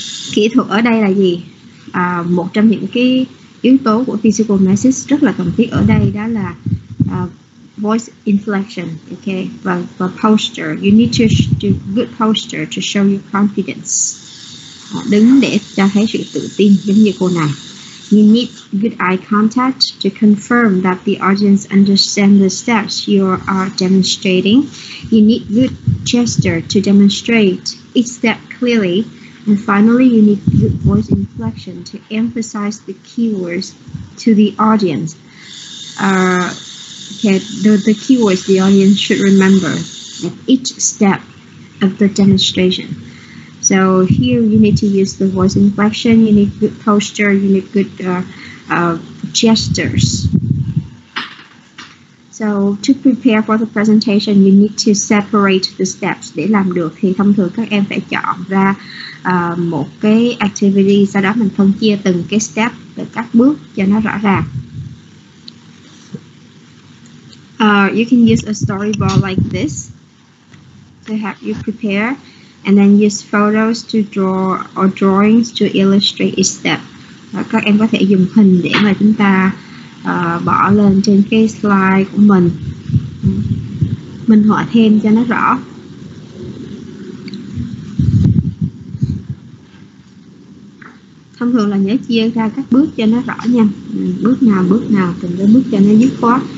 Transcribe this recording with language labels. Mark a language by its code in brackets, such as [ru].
[vi] Kỹ thuật ở đây là gì? Một trong những cái yếu tố của physical message rất là cần thiết ở đây đó là voice inflection, okay, và posture. [en] You need to do good posture to show your confidence. [vi] Đứng để cho thấy sự tự tin giống như cô này. [en] You need good eye contact to confirm that the audience understand the steps you are demonstrating. You need good gesture to demonstrate each step clearly. And finally, you need good voice inflection to emphasize the keywords to the audience. The keywords the audience should remember at each step of the demonstration. So here you need to use the voice inflection, you need good posture, you need good gestures. So to prepare for the presentation, you need to separate the steps. [vi] Để làm được thì thông thường các em phải chọn ra một cái activity, sau đó mình phân chia từng cái step, từng các bước cho nó rõ ràng. [en] You can use a storyboard like this to help you prepare, and then use photos to draw or drawings to illustrate each step. [vi] Các em có thể dùng hình để mà chúng ta bỏ lên trên cái slide của mình, minh họa thêm cho nó rõ. Thông thường là nhớ chia ra các bước cho nó rõ nha, bước nào từng cái bước cho nó dứt khoát.